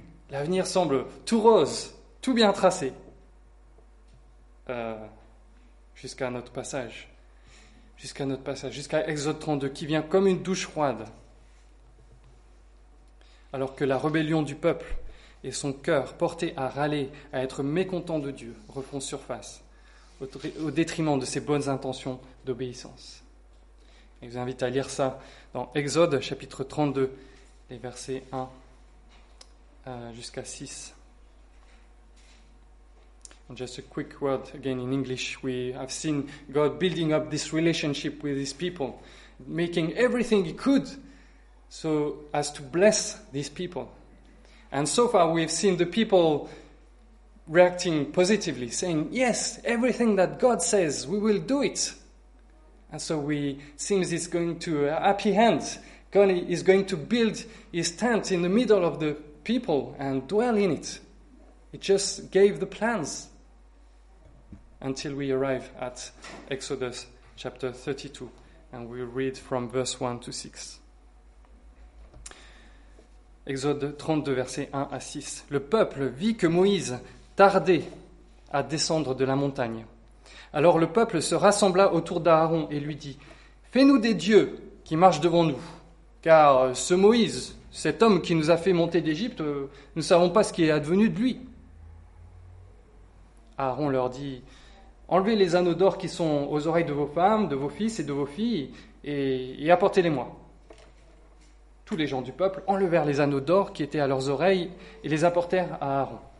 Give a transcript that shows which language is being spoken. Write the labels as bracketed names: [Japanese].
[French] L'avenir semble tout rose, tout bien tracé, jusqu'à notre passage, jusqu'à Exode 32, qui vient comme une douche froide, alors que la rébellion du peuple et son cœur porté à râler, à être mécontent de Dieu, refont surface au détriment de ses bonnes intentions d'obéissance. Et je vous invite à lire ça dans Exode, chapitre 32, les versets 1 jusqu'à 6. [English] And just a quick word again in English. We have seen God building up this relationship with his people, making everything he could so as to bless these people. And so far we've seen the people reacting positively, saying, yes, everything that God says, we will do it. And so we seems it's going to a happy end. God is going to build his tent in the middle of the people and dwell in it. He just gave the plans until we arrive at Exodus chapter 32. And we'll read from verse 1 to 6. [French] Exode 32, versets 1 à 6. Le peuple vit que Moïse tardait à descendre de la montagne. Alors le peuple se rassembla autour d'Aaron et lui dit, « Fais-nous des dieux qui marchent devant nous, car ce Moïse, cet homme qui nous a fait monter d'Égypte, nous ne savons pas ce qui est advenu de lui. » Aaron leur dit, « Enlevez les anneaux d'or qui sont aux oreilles de vos femmes, de vos fils et de vos filles, et apportez-les-moi. » Tous les gens du peuple enlevèrent les anneaux d'or qui étaient à leurs oreilles et les apportèrent à Aaron.